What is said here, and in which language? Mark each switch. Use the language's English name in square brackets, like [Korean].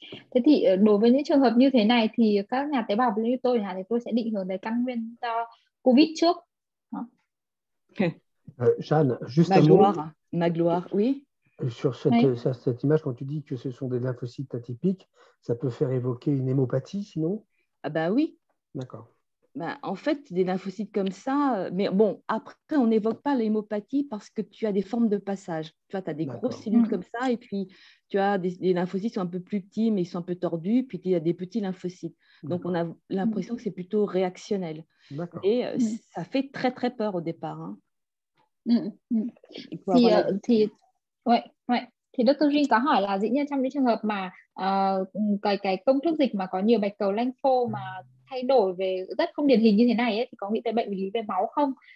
[Vietnamese] Thế thì đối với những trường hợp như thế này thì các nhà tế bào như tôi thì tôi sẽ định hướng về căn nguyên cho COVID trước. [French] Jeanne, juste ma gloire, ma gloire, oui. Sur cette image, quand tu dis que ce sont des lymphocytes atypiques, ça peut faire évoquer une hémopathie, sinon ? Ah ben oui. D'accord. Ben, en fait, des lymphocytes comme ça, mais bon, après, on n'évoque pas l'hémopathie parce que tu as des formes de passage. Tu vois, tu as des D'accord. grosses cellules comme ça, et puis tu as des lymphocytes qui sont un peu plus petits, mais ils sont un peu tordus, puis il y a des petits lymphocytes. Donc, D'accord. on a l'impression que c'est plutôt réactionnel. D'accord. Et ça fait très, très peur au départ. Hein. Ouais, ouais. [Vietnamese] Thì Dr. Jin có hỏi là dĩ nhiên trong những trường hợp mà cái công thức dịch mà có nhiều bạch cầu lympho mà thay đổi về rất không điển hình như thế này ấy, thì có nghĩ tới bệnh lý về máu không?